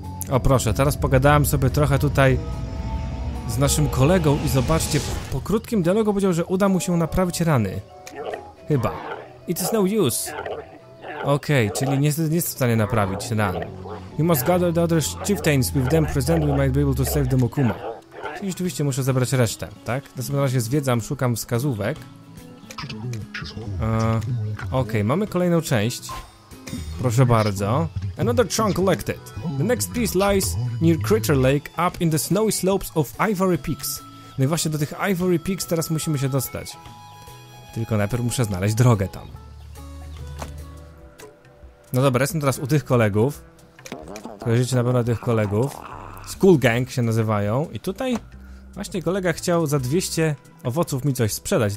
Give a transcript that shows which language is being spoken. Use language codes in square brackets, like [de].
[pl] O proszę, teraz pogadałem sobie trochę tutaj z naszym kolegą i zobaczcie, po krótkim dialogu powiedział, że uda mu się naprawić rany. Chyba. [en] It is no use. [pl] Okej, okay, czyli niestety nie jest w stanie naprawić ran. [en] You must gather the other chieftains with them present, we might be able to save the Mokuma. [pl] I rzeczywiście muszę zebrać resztę, tak? W takim razie zwiedzam, szukam wskazówek. Okej, mamy kolejną część. Proszę bardzo. [en] Another chunk collected. The next piece lies near Critter Lake, up in the snowy slopes of Ivory Peaks. [pl] No i właśnie do tych Ivory Peaks teraz musimy się dostać. Tylko najpierw muszę znaleźć drogę tam. No dobra, jestem teraz u tych kolegów. Kojarzycie na pewno tych kolegów. School Gang się nazywają i tutaj właśnie kolega chciał za 200 owoców mi coś sprzedać.